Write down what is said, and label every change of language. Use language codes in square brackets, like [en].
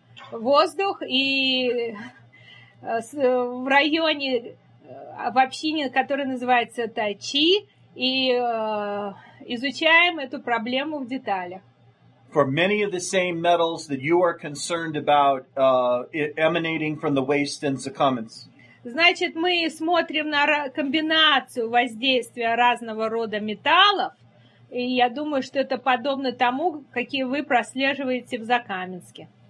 [ru] воздух и в районе, в общине, которая называется Тачи, и изучаем эту проблему в деталях. [en] For many of the same metals that you are concerned about emanating from the waste in the commons. [ru] Значит, мы смотрим на комбинацию воздействия разного рода металлов, и я думаю, что это подобно тому, какие вы прослеживаете в Закаменске.